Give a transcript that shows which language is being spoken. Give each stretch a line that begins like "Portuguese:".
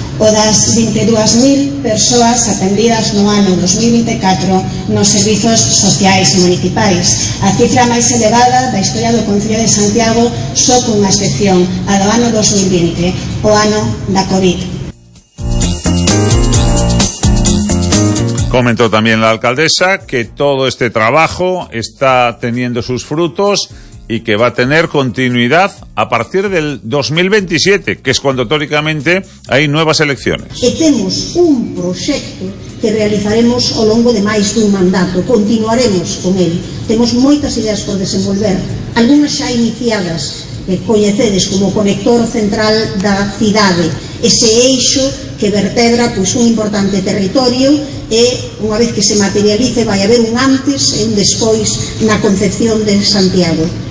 Galician: O das 22.000 persoas atendidas no ano 2024 nos servizos sociais municipais. A cifra máis elevada da historia do Concello de Santiago, só con unha excepción, a do ano 2020, o ano da COVID.
Spanish: Comentó también la alcaldesa que todo este trabajo está teniendo sus frutos y que va a tener continuidad a partir del 2027, que es cuando teóricamente hay nuevas elecciones.
Galician: E temos un proxecto que realizaremos ao longo de máis dun mandato, continuaremos con ele. Temos moitas ideas por desenvolver, algunas xa iniciadas, que coñecedes como conector central da cidade, ese eixo que vertebra pois, un importante territorio, e unha vez que se materialice vai haber un antes e un despois na concepción de Santiago.